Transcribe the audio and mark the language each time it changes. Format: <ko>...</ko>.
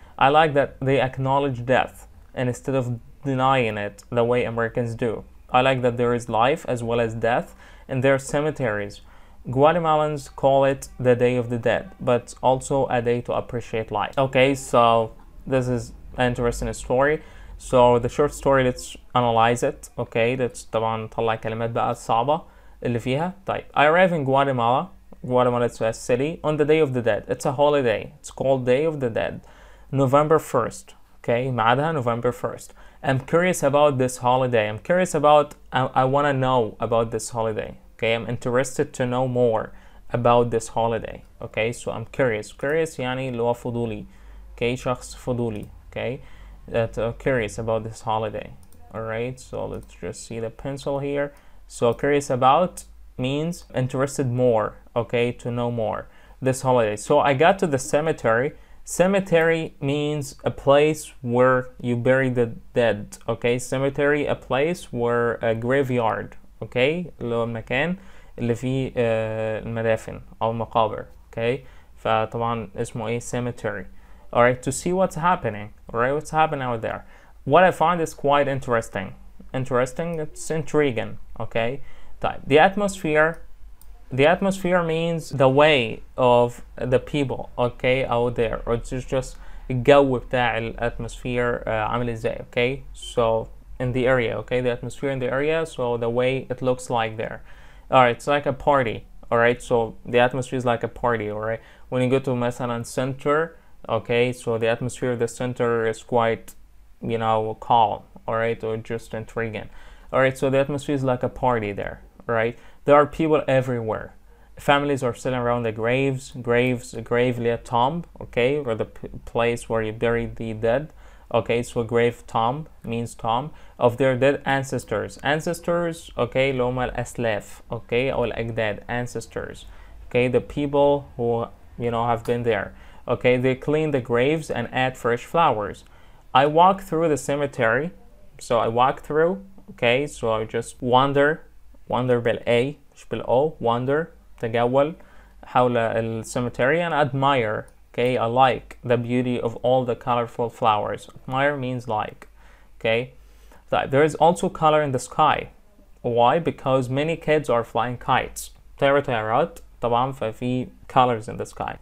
<en>I like that they acknowledge death instead of denying it the way Americans do. I like that there is life as well as death in their cemeteries. Guatemalans call it the Day of the Dead, but also a day to appreciate life. Okay, so this is an interesting story. So the short story, let's analyze it. Okay, let's</en> <ar>طبعا نطلع كلمات بقى الصعبة اللي فيها.</ar> <en>طيب, I arrive in Guatemala. Guatemala is a city on the Day of the Dead. It's a holiday. It's called Day of the Dead. November 1st. Okay,</en> <ar>معادها</ar> <en>November 1st. I'm curious about this holiday. I'm curious about, I want to know about this holiday. Okay, I'm interested to know more about this holiday. Okay, so I'm curious.</en> <ar>Curious يعني اللي هو فضولي. Okay, شخص فضولي.</ar> <en>Okay, that curious about this holiday. Alright, so let's just see the pencil here. So curious about means interested more. Okay, to know more this holiday. So I got to the cemetery. Cemetery means a place where you bury the dead. Okay, cemetery, a place where a graveyard.</en> <ar>Okay, اللي هو المكان اللي فيه المدافن أو المقابر. Okay, فطبعا اسمه إيه cemetery.</ar> <en>All right, to see what's happening. All right, what's happening out there? What I find is quite interesting. Interesting, it's intriguing. Okay, طيب. The atmosphere. The atmosphere means the way of the people, okay, out there. Or it's just</en> <ar>الجو بتاع الاتموسفير عامل ازاي, okay?</ar> <en>So, in the area, okay? The atmosphere in the area, so the way it looks like there. Alright, it's like a party, alright? So, the atmosphere is like a party, alright? When you go to</en> <ar>مثلا</ar> <en>center, okay? So, the atmosphere of the center is quite, you know, calm, alright? Or just intriguing. Alright, so the atmosphere is like a party there, right? There are people everywhere. Families are sitting around the graves. Graves, a grave, a tomb, okay? Or the place where you bury the dead. Okay, so a grave tomb means tomb of their dead ancestors. Ancestors, okay,</en> <ar>لهم الأسلاف,</ar> <en>okay,</en> <ar>أو الأجداد,</ar> <en>ancestors. Okay, the people who, you know, have been there. Okay, they clean the graves and add fresh flowers. I walk through the cemetery. So I walk through, okay, so I just wander.</en> <ar>Wander بالA مش بالO. Wander, تجول حول السيمتري.</ar> <en>And admire, okay, I like the beauty of all the colorful flowers. Admire means like, okay. There is also color in the sky. Why? Because many kids are flying kites.</en> <ar>طيارة طيارات طبعا ففي</ar> <en>colors in the sky.</en>